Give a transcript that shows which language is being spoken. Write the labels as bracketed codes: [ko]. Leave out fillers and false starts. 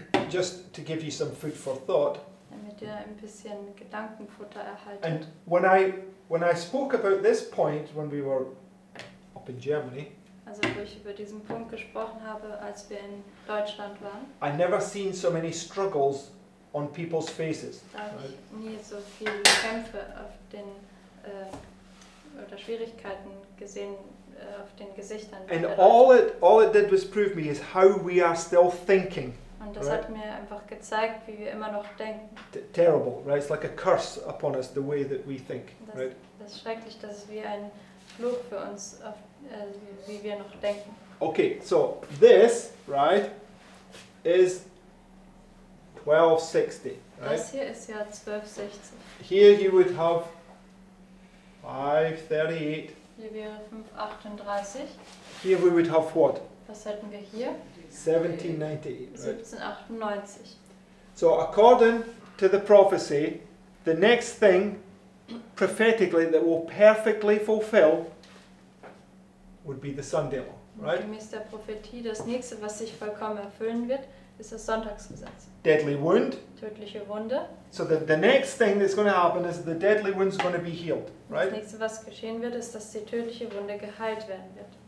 [en] Just to give you some food for thought. [de] Damit ihr ein bisschen Gedankenfutter erhaltet. [en] And when I spoke about this point when we were up in Germany. [de] Also wo ich über diesen Punkt gesprochen habe, als wir in Deutschland waren. [en] I never seen so many struggles on people's faces. [de] Da habe ich nie so viele Kämpfe auf den oder Schwierigkeiten gesehen auf den Gesichtern. [en] And all it did was prove me is how we are still thinking. [de] Und das hat mir einfach gezeigt, wie wir immer noch denken. [en] Terrible, right? It's like a curse upon us, the way that we think, right? [de] Das ist schrecklich, das ist wie ein Fluch für uns, auf, wie wir noch denken. [en] Okay, so this, right, is 1260, right? [de] Das hier ist ja 1260. [en] Here you would have 538. [de] Hier wäre 538. [en] Here we would have what? [de] Was hätten wir hier? [en] 1798. Right? So according to the prophecy, the next thing prophetically that will perfectly fulfill would be the Sunday law, right? [de] Gemäß der Prophetie, das nächste, was sich vollkommen erfüllen wird, ist das Sonntagsgesetz. [en] Deadly wound. [de] Tödliche Wunde. [en] So the next thing that's going to happen is the deadly wound is going to be healed, right? [de] Das nächste, was geschehen wird, ist, dass die tödliche Wunde geheilt werden wird.